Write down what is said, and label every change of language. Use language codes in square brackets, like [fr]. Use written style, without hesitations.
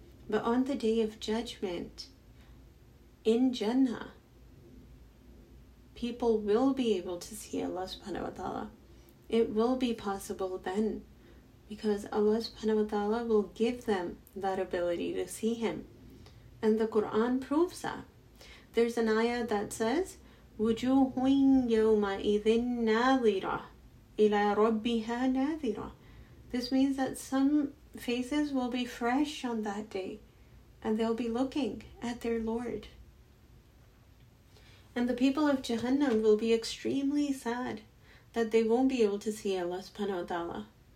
[en] But on the day of judgment, in Jannah, people will be able to see Allah subhanahu wa ta'ala. It will be possible then, because Allah subhanahu wa ta'ala will give them that ability to see Him. And the Quran proves that. There's an ayah that says, [ar] وُجُوهٌ يَوْمَئِذٍ نَاظِرَةٌ إِلَىٰ رَبِّهَا نَاظِرَةٌ. [en] This means that some faces will be fresh on that day, and they'll be looking at their Lord. And the people of Jahannam will be extremely sad that they won't be able to see Allah subhanahu wa ta'ala.